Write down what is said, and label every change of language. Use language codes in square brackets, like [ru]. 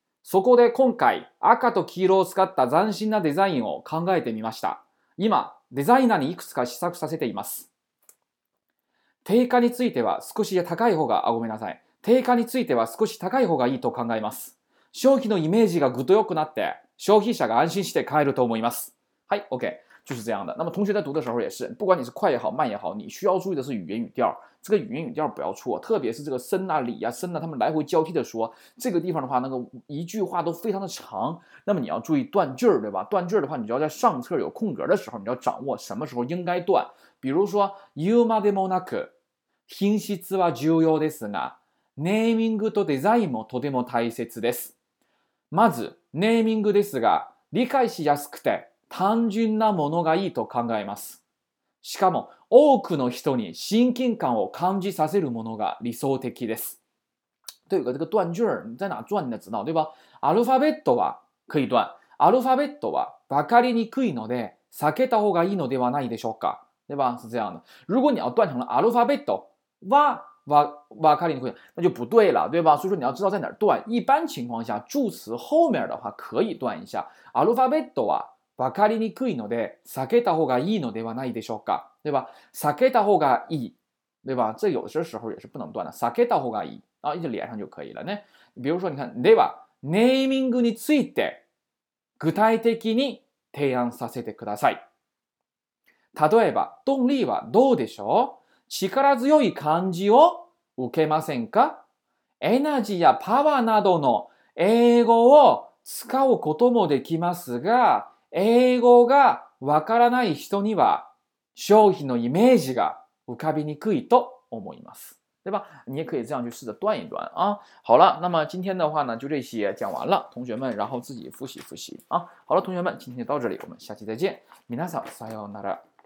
[ja] そこで今回、赤と黄色を使った斬新なデザインを考えてみました。今、デザイナーにいくつか試作させています。定価については少し高い方が、あ、ごめんなさい。定価については少し高い方がいいと考えます。商品のイメージがぐっと良くなって、消費者が安心して買えると思います。はい、 [zh] OK。就是这样的。那么同学在读的时候也是，不管你是快也好慢也好，你需要注意的是语言语调，这个语言语调不要错，特别是这个森啊李啊森啊他们来回交替的说这个地方的话，那个一句话都非常的长，那么你要注意断句，对吧？断句的话你就要在上册有空格的时候，你要掌握什么时候应该断。比如说 [ja] 言うまでもなく品質は重要ですが、ネーミングとデザインもとても大切です。まずネーミングですが、理解しやすくて単純なものがいいと考えます。しかも多くの人に親近感を感じさせるものが理想的です。というか、 [zh] 这个断句在哪断你的知道对吧？ [ja] アルファベットは [zh] 可以断。 [ja] アルファベットは分かりにくいので避けた方がいいのではないでしょうか？ [zh] 对吧？是这样的。如果你要断成了 [ja] アルファベットは分かりにくい， [zh] 那就不对了，对吧？所以说你要知道在哪断。一般情况下，助词后面的话可以断一下。 [ja] アルファベットは分かりにくいので避けた方がいいのではないでしょうか， [zh] 对吧？ [ja] 避けた方がいい， [zh] 对吧？这有些时候也是不能断的。 [ja] 避けた方がいい， [zh] 然后一直连上就可以了呢。比如说，你看， [ja] ではネーミングについて具体的に提案させてください。例えば、動力はどうでしょう？力強い感じを受けませんか？エナジーやパワーなどの英語を使うこともできますが、英語がわからない人には商品のイメージが浮かびにくいと思います。 [zh] 对吧？你也可以这样去试着断一断啊。好了，那么今天的话呢，就这些讲完了，同学们，然后自己复习复习啊。好了，同学们，今天就到这里，我们下期再见。 [ja] 皆さん、さようなら。